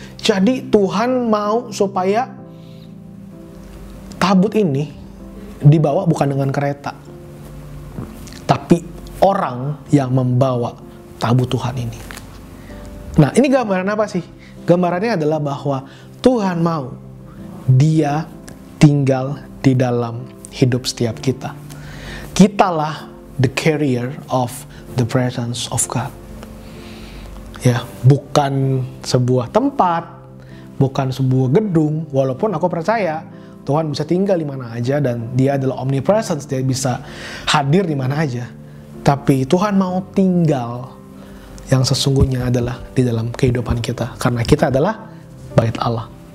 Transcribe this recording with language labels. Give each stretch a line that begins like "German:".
Indonesian: Jadi Tuhan mau supaya tabut ini dibawa bukan dengan kereta, tapi orang yang membawa tabut Tuhan ini. Nah, ini gambaran apa sih? Gambarannya adalah bahwa Tuhan mau dia tinggal di dalam hidup setiap kita. Kitalah
English: the carrier of the presence of God.
Indonesian: Ya, bukan sebuah tempat, bukan sebuah gedung, walaupun aku percaya Tuhan bisa tinggal di mana aja dan dia adalah omnipresence, dia bisa hadir di mana aja. Tapi Tuhan mau tinggal yang sesungguhnya adalah di dalam kehidupan kita karena kita adalah bait Allah.